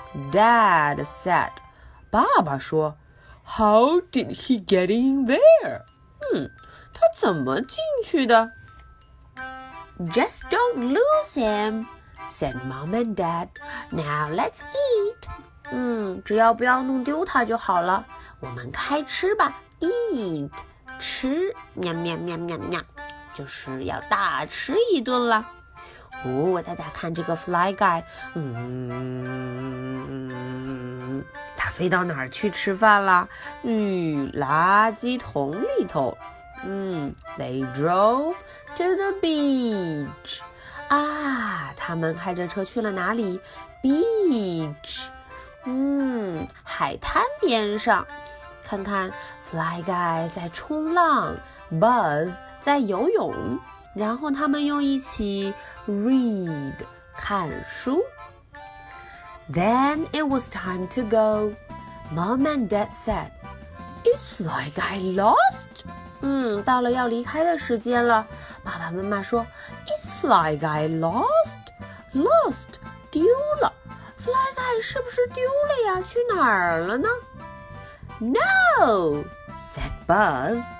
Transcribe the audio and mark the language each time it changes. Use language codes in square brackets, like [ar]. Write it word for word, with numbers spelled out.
[en] Dad said， [zh] 爸爸说 [en] How did he get in there？ [zh] 嗯，他怎么进去的？ [en] Just don't lose him， said Mom and Dad. Now let's eat。 [zh] 嗯，只要不要弄丢他就好了。我们开吃吧 ，eat， 吃，喵喵喵喵喵，就是要大吃一顿了。哦，大家看这个 Fly Guy， 嗯，他飞到哪儿去吃饭了？嗯，垃圾桶里头。嗯 [en] ，They drove to the beach。 [zh] 啊，他们开着车去了哪里 ？Beach。嗯，海滩边上。看看 Fly Guy 在冲浪 ，Buzz 在游泳。然后他们又一起 read 看书。 [en] Then it was time to go. Mom and Dad said, "Is Fly Guy lost?" [zh] 嗯，到了要离开的时间了。爸爸妈妈说 [en] ，Is Fly Guy lost? [zh] Lost 丢了 ，Fly Guy 是不是丢了呀？去哪儿了呢 ？ [en] No, said Buzz.